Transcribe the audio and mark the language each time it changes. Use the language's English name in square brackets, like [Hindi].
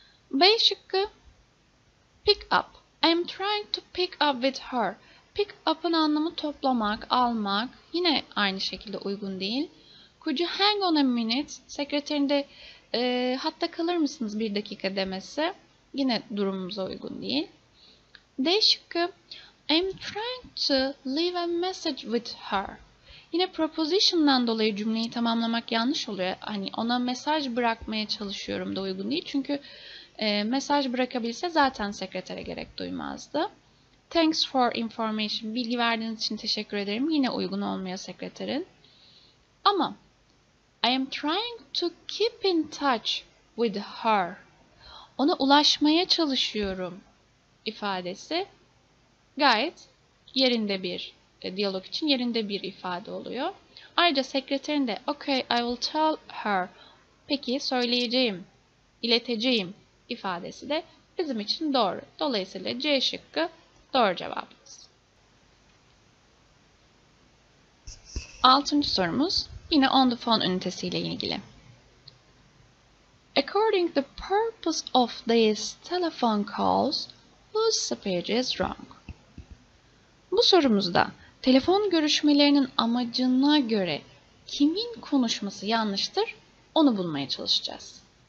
[Turkish] B şıkkı [English] pick up. I'm trying to pick up with her. [Turkish] Pick up'ın anlamı toplamak, almak. Yine aynı şekilde uygun değil. [English] Could you hang on a minute? [Turkish] Sekreterin de hatta kalır mısınız bir dakika demesi. Yine durumumuza uygun değil. D şıkkı [English] I'm trying to leave a message with her. [Turkish] Yine proposition'dan dolayı cümleyi tamamlamak yanlış oluyor. Hani ona mesaj bırakmaya çalışıyorum da uygun değil. Çünkü mesaj bırakabilse zaten sekretere gerek duymazdı. [English] Thanks for information. [Turkish] Bilgi verdiğiniz için teşekkür ederim. Yine uygun olmuyor sekreterin. [English] Ama I am trying to keep in touch with her. [Turkish] Ona ulaşmaya çalışıyorum ifadesi gayet yerinde bir diyalog için yerinde bir ifade oluyor. Ayrıca sekreterin de [English] okay, I will tell her. [Turkish] Peki söyleyeceğim, ileteceğim ifadesi de bizim için doğru. Dolayısıyla C şıkkı doğru cevabımız. Altıncı sorumuz yine on the phone ünitesiyle ilgili. [English] According the purpose of these telephone calls, whose speech is wrong? [Turkish] Bu sorumuzda telefon görüşmelerinin amacına göre kimin konuşması yanlıştır, onu bulmaya çalışacağız.